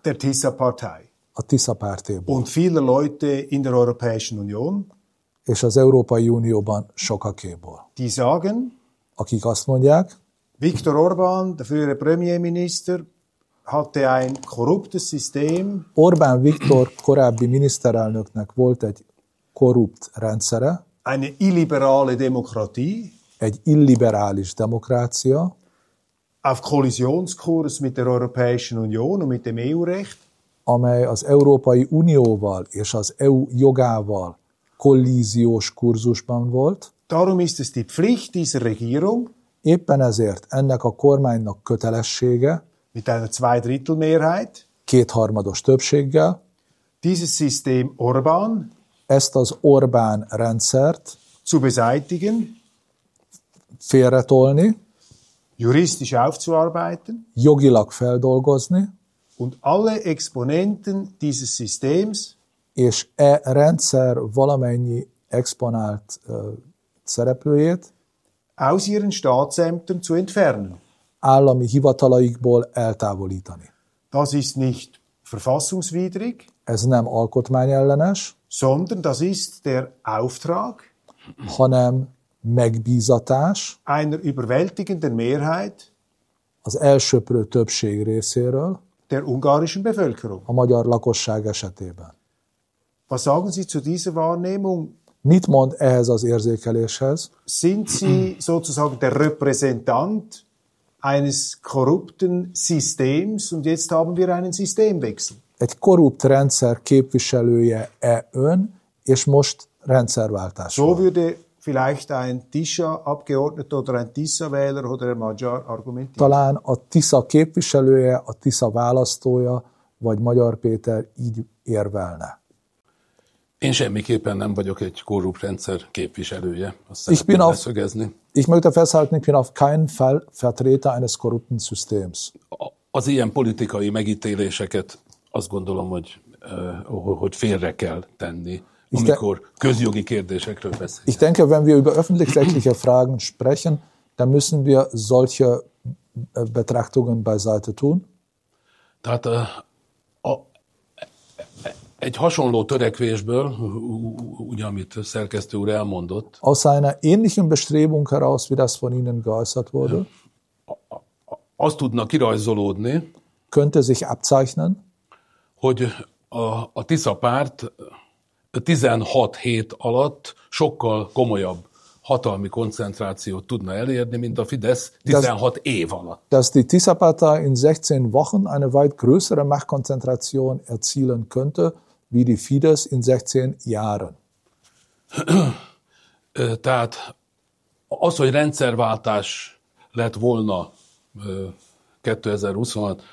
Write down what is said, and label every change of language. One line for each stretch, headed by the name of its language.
German: Der Tisza-Partei.
Hungarian: A Tisza pártéből.
German: Und viele Leute in der Europäischen Union,
Hungarian: és az Európai Unióban sokakéből.
German: Die sagen,
Hungarian: akik azt mondják,
German: Viktor Orbán, der frühere Premierminister, hatte ein korruptes System.
Hungarian: Orbán Viktor korábbi miniszterelnöknek volt egy korrupt rendszere.
German: Eine illiberale Demokratie.
Hungarian: Egy illiberális demokrácia.
German: Auf Kollisionskurs mit der Europäischen Union und mit dem EU-Recht.
Hungarian: Amely az Európai Unióval és az EU jogával kollíziós kurzusban volt.
German: Darum ist es die Pflicht dieser Regierung,
Hungarian: éppen ezért ennek a kormánynak kötelessége,
German: mit einer Zweidrittelmehrheit,
Hungarian: kétharmados többséggel,
German: dieses System Orbán,
Hungarian: ezt az Orbán rendszert
German: zu beseitigen,
Hungarian: félretolni,
German: juristisch aufzuarbeiten,
Hungarian: jogilag feldolgozni,
German: und alle Exponenten dieses Systems,
Hungarian: és e rendszer valamennyi exponált szereplőjét,
German: aus ihren Staatsämtern zu entfernen.
Hungarian: Állami hivatalaikból eltávolítani.
German: Das ist nicht verfassungswidrig,
Hungarian: ez nem alkotmányellenes,
German: sondern das ist der Auftrag,
Hungarian: hanem megbízatás,
German: einer überwältigenden Mehrheit,
Hungarian: az elsöprő többség részéről,
German: der ungarischen Bevölkerung.
Hungarian: A magyar lakosság esetében.
German: Was sagen Sie zu dieser Wahrnehmung?
Hungarian: Mit mond ehhez az érzékeléshez?
German: Sind Sie sozusagen der Repräsentant eines korrupten Systems und jetzt haben wir einen Systemwechsel?
Hungarian: Egy korrupt rendszer képviselője-e ön, és most rendszerváltás
German: so van? So würde vielleicht ein Tisza-Abgeordneter oder ein Tisza-Wähler oder ein Magyar argumentieren.
Hungarian: Talán a Tisza képviselője, a Tisza választója, vagy Magyar Péter így érvelne. Én semmiképpen nem vagyok egy korrupt rendszer képviselője. Azt szeretném leszögezni.
German: Ich möchte festhalten, ich bin auf keinen Fall Vertreter eines korrupten Systems.
Hungarian: Az ilyen politikai megítéléseket azt gondolom, hogy félre kell tenni. Amikor közjogi kérdésekről beszélünk.
German: Ich denke, wenn wir über öffentlich-rechtliche Fragen sprechen, dann müssen wir solche Betrachtungen beiseite tun.
Hungarian: Tehát egy hasonló törekvésből, ugye amit szerkesztő úr elmondott.
German: Aus einer ähnlichen Bestrebung heraus, wie das von Ihnen geäußert wurde.
Hungarian: Azt tudna kirajzolódni.
German: Könnte sich abzeichnen.
Hungarian: Hogy a Tisza párt 16 hét alatt sokkal komolyabb hatalmi koncentrációt tudna elérni, mint a Fidesz 16 év alatt.
German: Dass die Tisza-Partei in 16 Wochen eine weit größere Machtkonzentration erzielen könnte, wie die Fidesz in 16 Jahren.
Hungarian: Tehát az, hogy rendszerváltás lett volna 2026.